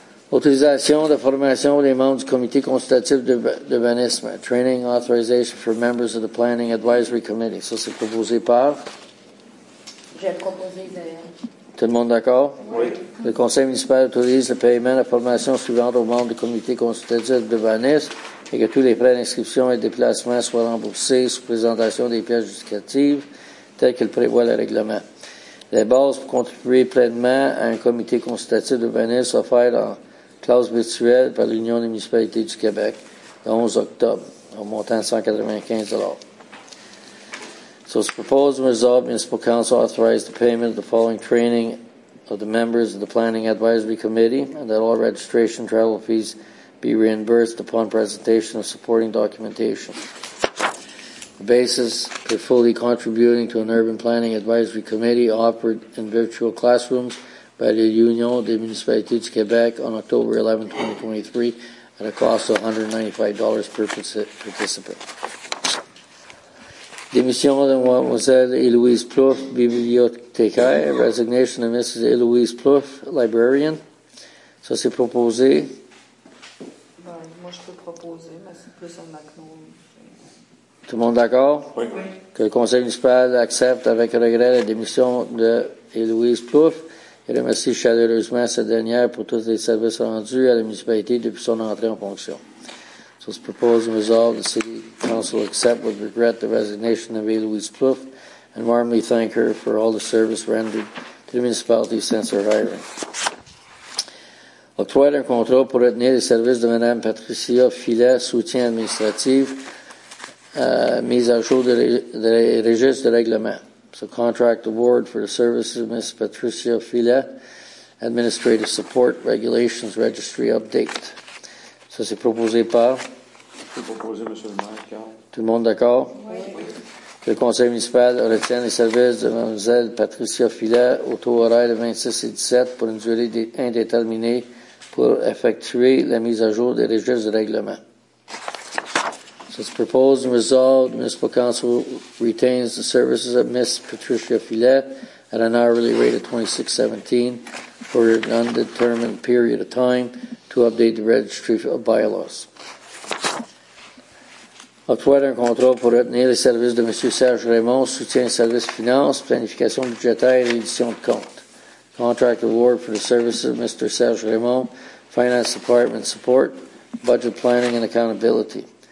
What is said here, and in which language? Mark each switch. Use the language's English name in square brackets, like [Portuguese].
[French] Autorisation de formation des membres du comité consultatif d'urbanisme. [English] Training authorization for members of the planning advisory committee. [French] Ça, c'est proposé par? J'ai proposé de... Tout le monde d'accord? Oui. Le conseil municipal autorise le paiement de la formation suivante aux membres du comité consultatif d'urbanisme et que tous les prêts d'inscription et déplacements soient remboursés sous présentation des pièces justificatives telles que le prévoit le règlement. Les bases pour contribuer pleinement à un comité consultatif d'urbanisme offertes en classe virtuelle par l'Union des municipalités du Québec le 11 octobre, au montant de 195 $. [English] So it's proposed and resolved, Municipal Council authorized the payment of the following training of the members of the Planning Advisory Committee and that all registration travel fees be reimbursed upon presentation of supporting documentation. The basis for fully contributing to an Urban Planning Advisory Committee offered in virtual classrooms by the Union des Municipalités du Québec on October 11, 2023 at a cost of $195 per participant. [French] Démission de Mademoiselle Héloïse Plouffe, bibliothécaire. [English] Resignation of Mrs. Héloïse Plouffe, librarian. [French] Ça, c'est proposé. Ben, moi, je peux proposer, mais c'est plus un macron. Tout le monde d'accord? Oui. Que le conseil municipal accepte avec regret la démission de Héloïse Plouffe et remercie chaleureusement cette dernière pour tous les services rendus à la municipalité depuis son entrée en fonction. [English] So it's proposed and resolved the City Council accept with regret the resignation of Héloïse Plouffe and warmly thank her for all the service rendered to the municipality since her hiring. [French] Octroyer un contrat pour retenir les services de Mme Patricia Filet, soutien administratif, mise à jour de registre de règlement. [English] So contract award for the services of Ms. Patricia Filet, administrative support, regulations, registry update. [French] So c'est proposé par... Tout le monde d'accord? Oui. Que le conseil municipal retienne les services de Mlle Patricia Filet au taux horaire de 26 et 17 pour une durée indéterminée pour effectuer la mise à jour des registres de règlement. [English] So it's proposed and resolved the municipal council retains the services of Ms. Patricia Filet at an hourly rate of $26.17 for an undetermined period of time to update the registry of bylaws. [French] Octroyer un contrat pour retenir les services de M. Serge Raymond, soutien des services finances, planification budgétaire et édition de comptes. [English] Contract award for the services of Mr. Serge Raymond, finance department support, budget planning and accountability.